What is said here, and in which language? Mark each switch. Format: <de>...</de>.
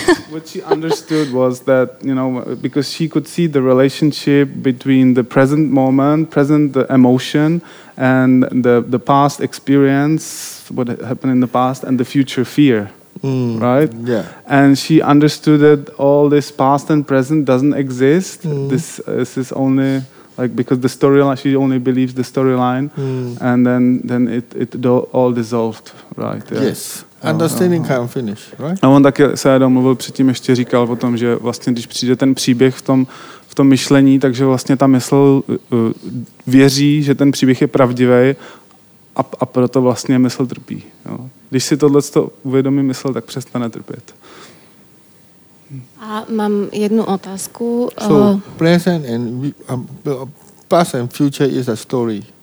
<en>What she understood was that, you know, because she could see the relationship between the present moment, present emotion and the past experience, what happened in the past and the future fear, right? Yeah. And she understood that all this past and present doesn't exist. This is only like because the storyline, she only believes the storyline and then it all dissolved, right? Yeah. Yes. Understanding can't finish, right?</en> <cs>A on taky se domluvil předtím, ještě říkal o tom, že vlastně když přijde ten příběh v tom myšlení, takže vlastně ta mysl věří, že ten příběh je pravdivý a proto vlastně mysl trpí. Jo. Když si tohleto uvědomí mysl, tak přestane trpět. A mám jednu otázku.</cs> <en>So present and past and future is a story.</en>